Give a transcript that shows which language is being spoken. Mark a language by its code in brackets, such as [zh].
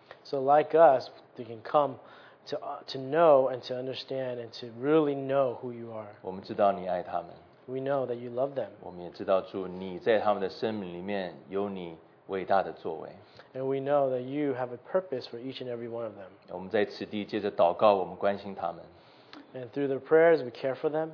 [en] So like us, they can come to know and to understand and to really know who you are. [zh] 我们知道你爱他们。 [en] We know that you love them. [zh] 我们也知道主，你在他们的生命里面有你。伟大的作为, [en] and we know that you have a purpose for each and every one of them. [zh] 我们在此地接着祷告, [en] and through their prayers, we care for them.